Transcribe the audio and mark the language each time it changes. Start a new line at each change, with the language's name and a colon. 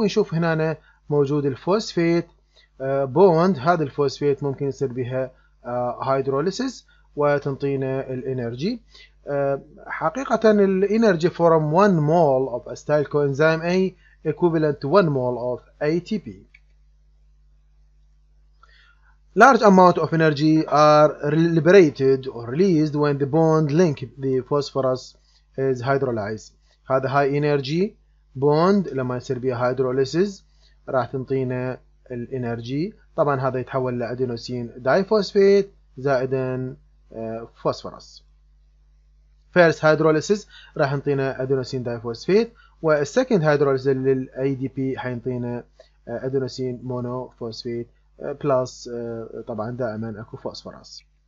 Arabic: ونشوف هنا موجود الفوسفيت بوند، هذا الفوسفيت ممكن يصير بها هيدروليسيس وتنطينا الانرجي.
English: حقيقة الانرجي from 1 mole of acetyl coenzyme A equivalent to 1 mole of ATP. Large amount of energy are liberated or released when the bond link the phosphorus is hydrolyzed.
Arabic: هذا
English: high energy bond
Arabic: لما يصير بها هيدروليسيس راح تنطينا الانرجي، طبعا هذا يتحول لأدينوسين دايفوسفيت زائدا فوسفورس. فيرست هيدروليسيس راح ينطينا أدينوسين دايفوسفيت، والسكند هيدروليسيس للاي دي بي حينطينا أدينوسين مونوفوسفيت بلس، طبعا دائما اكو فوسفورس.